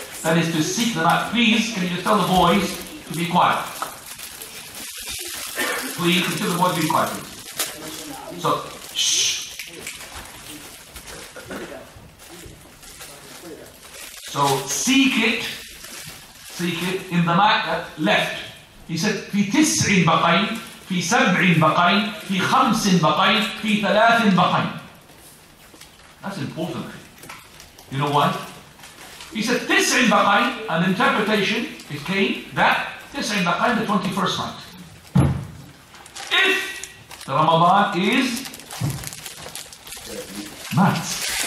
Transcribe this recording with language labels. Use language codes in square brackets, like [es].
[en] That is to seek the night. Please, can you just tell the boys to be quiet? Please, can you tell the boys to be quiet? Please. So, shh. So, seek it in the night that left. He said, [ar] في تسع بقين, في سبع بقين, في خمس بقين, في ثلاث بقين. [en] That's important. You know why? He said, [ar] تسع بقين, [en] an interpretation, it came that تسع بقين, the 21st night. If the Ramadan is nights.